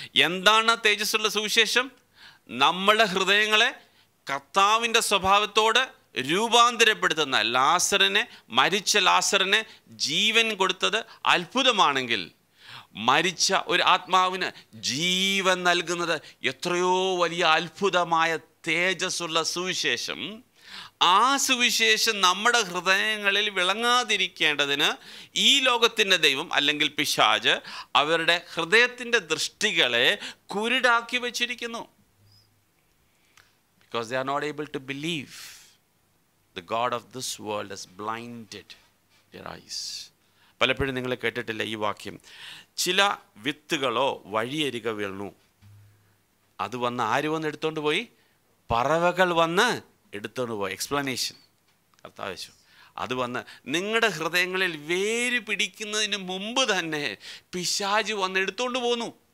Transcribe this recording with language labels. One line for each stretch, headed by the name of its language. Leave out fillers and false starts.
Malayalam: എന്താണ് തേജസ്സുള്ള സുവിശേഷം? നമ്മളുടെ ഹൃദയങ്ങളെ കർത്താവിൻ്റെ സ്വഭാവത്തോട് രൂപാന്തരപ്പെടുത്തുന്ന, ലാസറിനെ, മരിച്ച ലാസറിനെ ജീവൻ കൊടുത്തത് അത്ഭുതമാണെങ്കിൽ മരിച്ച ഒരു ആത്മാവിന് ജീവൻ നൽകുന്നത് എത്രയോ വലിയ അത്ഭുതമായ തേജസ്സുള്ള സുവിശേഷം. ആ സുവിശേഷം നമ്മുടെ ഹൃദയങ്ങളിൽ വിളങ്ങാതിരിക്കേണ്ടതിന് ഈ ലോകത്തിൻ്റെ ദൈവം അല്ലെങ്കിൽ പിശാച് അവരുടെ ഹൃദയത്തിൻ്റെ ദൃഷ്ടികളെ കുരുടാക്കി വച്ചിരിക്കുന്നു.
English: Because they are not able to believe. The God of this world has blinded their eyes.
Malayalam: പലപ്പോഴും നിങ്ങൾ കേട്ടിട്ടില്ല ഈ വാക്യം, ചില വിത്തുകളോ വഴിയരിക വീണു, അത് വന്ന് ആര് വന്ന് എടുത്തോണ്ട് പോയി? പറവകൾ വന്ന് എടുത്തോണ്ട് പോയി. എക്സ്പ്ലനേഷൻ കർത്താവ് വെച്ചു, അത് വന്ന് നിങ്ങളുടെ ഹൃദയങ്ങളിൽ വേര് പിടിക്കുന്നതിന് മുമ്പ് തന്നെ പിശാച് വന്ന് എടുത്തോണ്ട് പോന്നു.